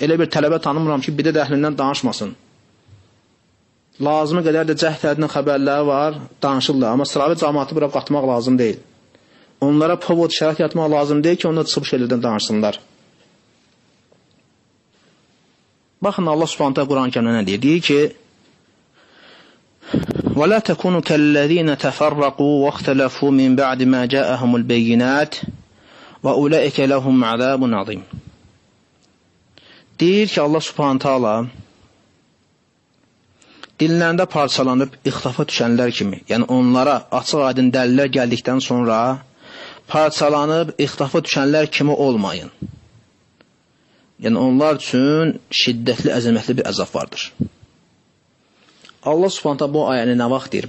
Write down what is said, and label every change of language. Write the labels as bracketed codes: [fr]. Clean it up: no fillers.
[az] Elə bir tələbə tanımıram ki, bir də əhlindən danışmasın. Lazımı qədər də cəhd tədinin xəbərləri var, danışırlar. Amma sıravi cəmatı bura qatmaq lazım deyil. Onlara povod şərat yatmaq lazım deyil ki, onlar çıxıb şeylərdən danışsınlar. Baxın, Allah subhanətə Quran kəmdə nə deyir? Deyir ki, [ar] ولا تكونوا كالذين تفرقوا واختلفوا من بعد ما جاءهم البينات واولئك لهم عذاب عظيم. [az] Deyir ki Allah Subhanahu taala dinlərində parçalanıb ixtilafa düşənlər kimi, yəni onlara açıq-aydın dəlillər gəldikdən sonra parçalanıb ixtilafa düşənlər kimi olmayın. Yəni onlar üçün şiddətli, əzəmətli bir əzab vardır. Allah subhanətə bu ayəni nə vaxt deyir?